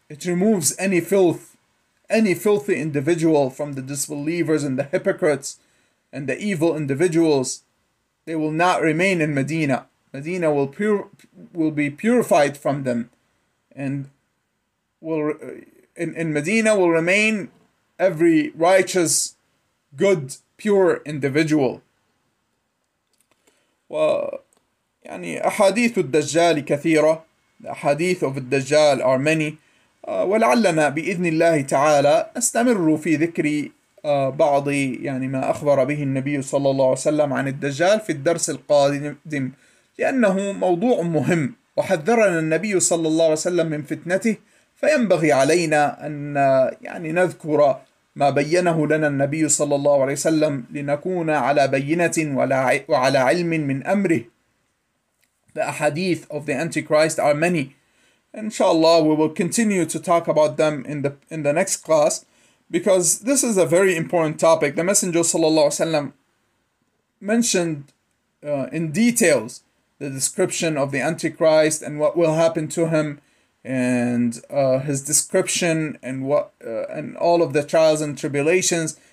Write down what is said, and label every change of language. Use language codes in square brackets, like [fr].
[en] It removes any filth, any filthy individual from the disbelievers and the hypocrites and the evil individuals. They will not remain in Medina. Medina will be purified from them, and will in Medina will remain every righteous, good, pure individual. [ar] ويعني أحاديث الدجال كثيرة. [en] The hadith of الدجال are many. [ar] ولعلنا بإذن الله تعالى نستمر في ذكر بعض ما أخبر به النبي صلى الله عليه وسلم عن الدجال في الدرس القادم، لأنه موضوع مهم وحذرنا النبي صلى الله عليه وسلم من فتنته، فينبغي علينا أن نذكر ما بينه لنا النبي صلى الله عليه وسلم لنكون على بينة وعلى علم من أمره. [en] The ahadith of the Antichrist are many. Inshallah, we will continue to talk about them in the next class, because this is a very important topic. The Messenger sallallahu alaihi wasallam mentioned in details the description of the Antichrist and what will happen to him, and his description and what and all of the trials and tribulations.